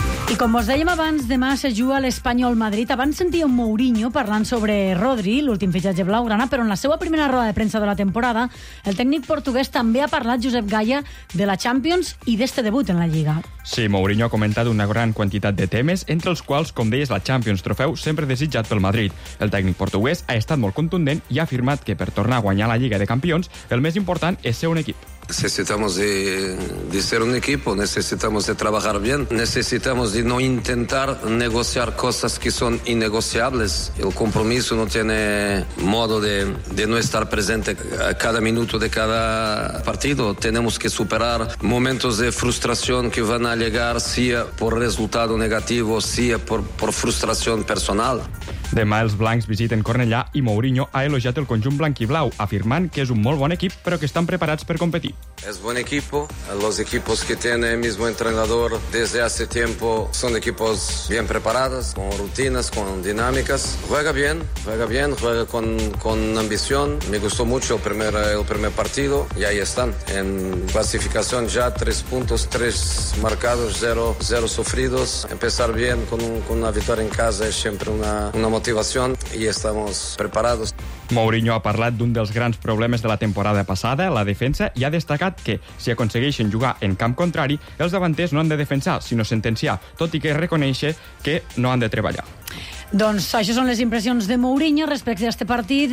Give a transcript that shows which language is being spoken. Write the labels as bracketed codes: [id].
[ca] I com us dèiem abans, demà se juga l'Espanyol-Madrid. Abans sentia un Mourinho parlant sobre Rodri, l'últim fitxatge blaugrana, però en la seva primera roda de premsa de la temporada, el tècnic portuguès també ha parlat, Josep Gaya, de la Champions i d'este debut en la Lliga. Sí, Mourinho ha comentat una gran quantitat de temes, entre els quals, com deies, la Champions trofeu sempre desitjat pel Madrid. El tècnic portuguès ha estat molt contundent i ha afirmat que per tornar a guanyar la Lliga de Campions el més important és ser un equip. [es] Necesitamos de ser un equipo, necesitamos de trabajar bien, necesitamos de no intentar negociar cosas que son innegociables. El compromiso no tiene modo de no estar presente cada minuto de cada partido. Tenemos que superar momentos de frustración que van a llegar, sea por resultado negativo, sea por frustración personal. [ca] Demà els blancs visiten Cornellà i Mourinho ha elogiat el conjunt blanquiblau, afirmant que és un molt bon equip, però que estan preparats per competir. [es] Es buen equipo. Los equipos que tiene el mismo entrenador desde hace tiempo son equipos bien preparados, con rutinas, con dinámicas. Juega bien, juega con ambición. Me gustó mucho el primer partido y ahí están. En clasificación ya 3 puntos, 3 marcados, 0 sufridos. Empezar bien con una victoria en casa es siempre una motivación y estamos preparados. [ca] Mourinho ha parlat d'un dels grans problemes de la temporada passada, la defensa, i ha destacat que, si aconsegueixen jugar en camp contrari, els davanters no han de defensar, sinó sentenciar, tot i que reconeix que no han de treballar. Doncs això són les impressions de Mourinho respecte a aquest partit.